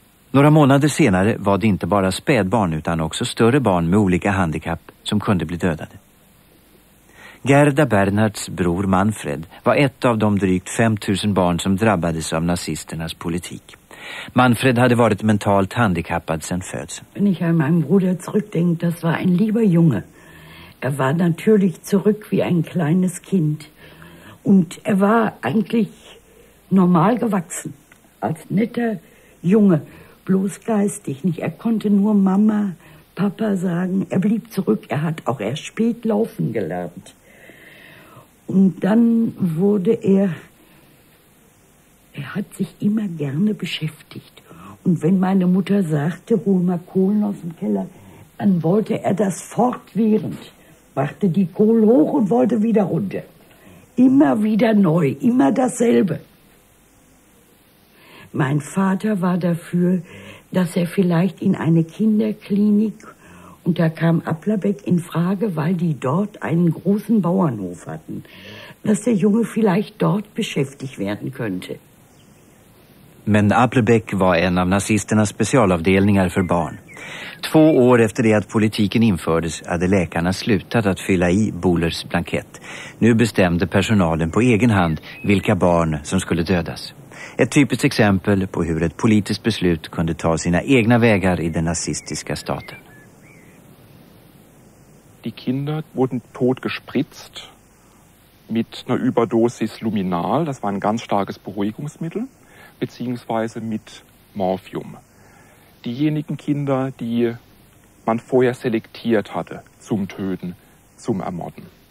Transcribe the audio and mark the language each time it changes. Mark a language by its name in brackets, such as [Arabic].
[Swedish] Några månader senare var det inte bara spädbarn utan också större barn med olika handikapp som kunde bli dödade. Gerda Bernhards bror Manfred var ett av de drygt 5000 barn som drabbades av nazisternas politik. Manfred hade varit mentalt handikappad sedan födseln. [German] Wenn ich an meinen Bruder zurückdenke, das war ein lieber Junge. Er war natürlich zurück wie ein kleines Kind. Und er war eigentlich normal gewachsen, als netter Junge. Bloß geistig nicht. Er konnte nur Mama, Papa sagen. Er blieb zurück. Er hat auch erst spät laufen gelernt. Und dann wurde er hat sich immer gerne beschäftigt. Und wenn meine Mutter sagte, hol mal Kohlen aus dem Keller, dann wollte er das fortwährend. Brachte die Kohlen hoch und wollte wieder runter. Immer wieder neu, immer dasselbe. Mein Vater war dafür, dass er vielleicht in eine Kinderklinik Und da kam Aplerbeck in Frage, weil die dort einen großen Bauernhof hatten, dass der Junge vielleicht dort beschäftigt werden könnte. [Swedish] Men Aplerbeck var en av nazisternas specialavdelningar för barn. Två år efter det att politiken infördes hade läkarna slutat att fylla i Bohlers blankett. Nu bestämde personalen på egen hand vilka barn som skulle dödas. Ett typiskt exempel på hur ett politiskt beslut kunde ta sina egna vägar i den nazistiska staten. [German] Die Kinder wurden tot gespritzt mit einer Überdosis Luminal, das war ein ganz starkes Beruhigungsmittel, beziehungsweise mit Morphium. Diejenigen Kinder, die man vorher selektiert hatte zum Töten, zum Ermorden.